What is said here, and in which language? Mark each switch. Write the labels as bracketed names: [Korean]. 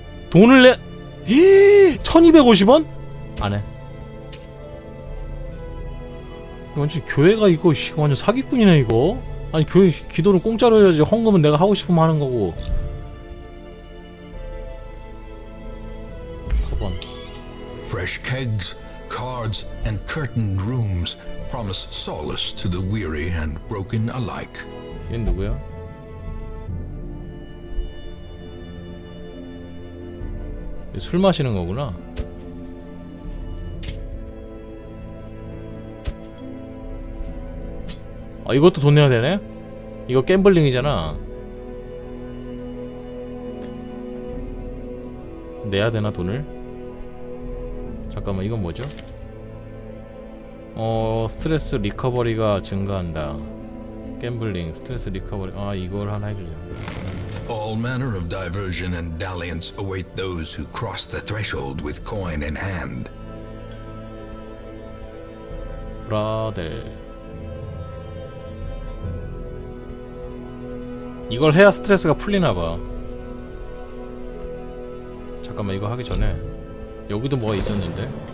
[Korean] 돈을 내. 에이, 1250원? 안 해. 완전 교회가 이거 완전 사기꾼이네 이거. 아니 교회 기도는 공짜로 해야지. 헌금은 내가 하고 싶으면 하는 거고. 9번. [English] Fresh kegs, cards and curtained rooms. Promise solace to the weary and broken alike. [Korean] 얘 누구야? 얘 술 마시는 거구나. 아 이것도 돈 내야 되네? 이거 갬블링이잖아. 내야 되나 돈을? 잠깐만 이건 뭐죠? 스트레스 리커버리가 증가한다. 갬블링 스트레스 리커버리. 아 이걸 하나 해주자. [English] All manner of diversion and dalliance await those who cross the threshold with coin in hand. [Korean] 브라델 이걸 해야 스트레스가 풀리나 봐. 잠깐만 이거 하기 전에 여기도 뭐가 있었는데.